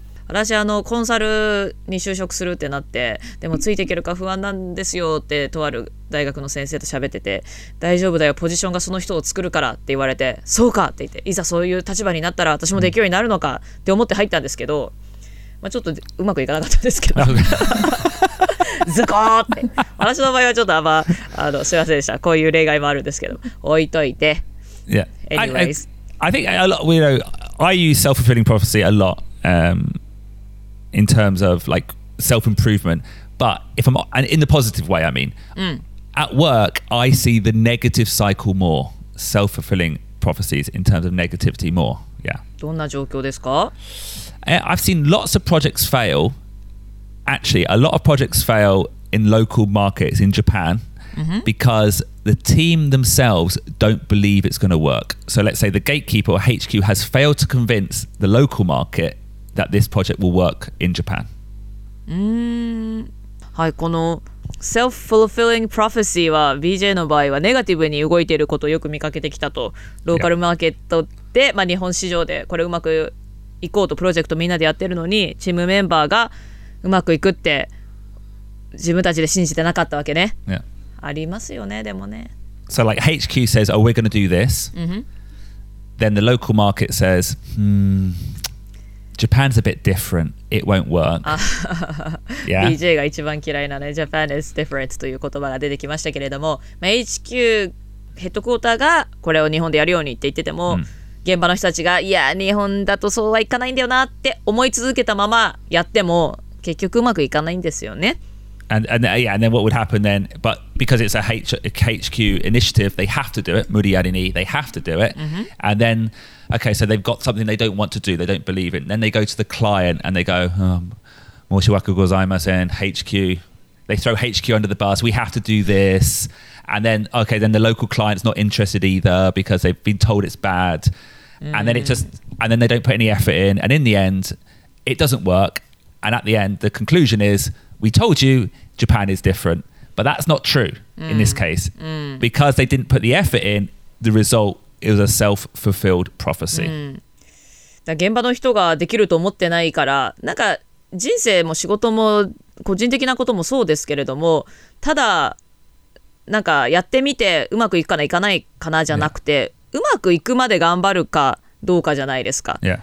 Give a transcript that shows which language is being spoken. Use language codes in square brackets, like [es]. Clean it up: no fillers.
[ja] 私あのコンサルに就職するってなって、でもついていけるか不安なんですよってとある大学の先生と喋ってて、大丈夫だよ、ポジションがその人を作るからって言われて、そうかって言って、いざそういう立場になったら私もできるようになるのかって思って入ったんですけど、まあ、ちょっとうまくいかなかったんですけどズコーって。私の場合はちょっとあんま、あのすいませんでした、こういう例外もあるんですけど、置いといて。 [en] Yeah, anyways, I think a lot, you know, I use self-fulfilling prophecy a lot、in terms of like self-improvement, but if I'm, and in the positive way, I mean, at work, I see the negative cycle more, self-fulfilling prophecies in terms of negativity more, yeah. [ja] どんな状況ですか? [en] I've seen lots of projects fail, actually, a lot of projects fail in local markets in Japan, because the team themselves don't believe it's going to work. So let's say the gatekeeper or HQ has failed to convince the local marketthat this project will work in Japan. [ja] はい、この self-fulfilling prophecy は BJ の場合はネガティブに動いていることをよく見かけてきたと。ローカルマーケットで、まあ、日本市場でこれうまくいこうとプロジェクトみんなでやってるのに、チームメンバーがうまくいくって自分たちで信じてなかったわけね。 [en] Yeah. [ja] ありますよね、でもね。 [en] So like HQ says, oh, we're going to do this. Then the local market says, Japan's a bit different. It won't work. Yeah. [ja] BJ が一番嫌いなね、 [en] Japan is different [ja] という言葉が出てきましたけれども、まあ、HQ ヘッドクォーターがこれを日本でやるようにって言ってても、現場の人たちが、いや、日本だとそうはいかないんだよなって思い続けたままやっても、結局うまくいかないんですよね。 [en] And then what would happen then? But because it's a HQ initiative, they have to do it. [ja] 無理やりに、 [en] they have to do it.、And then... Okay, so they've got something they don't want to do, they don't believe in. Then they go to the client and they go, [ja] Moshiwaku gozaimasen, [en] HQ. They throw HQ under the bus, we have to do this. And then, okay, then the local client's not interested either because they've been told it's bad. And then it just, and then they don't put any effort in. And in the end, it doesn't work. And at the end, the conclusion is, we told you Japan is different. But that's not true in this case. Because they didn't put the effort in, the resultIt was a self-fulfilled prophecy. [ja] 現場の人ができると思ってないから、なんか人生も仕事も個人的なこともそうですけれども、ただなんかやってみてうまくいくかないかないかなじゃなくて、うまくいくまで頑張るかどうかじゃないですか。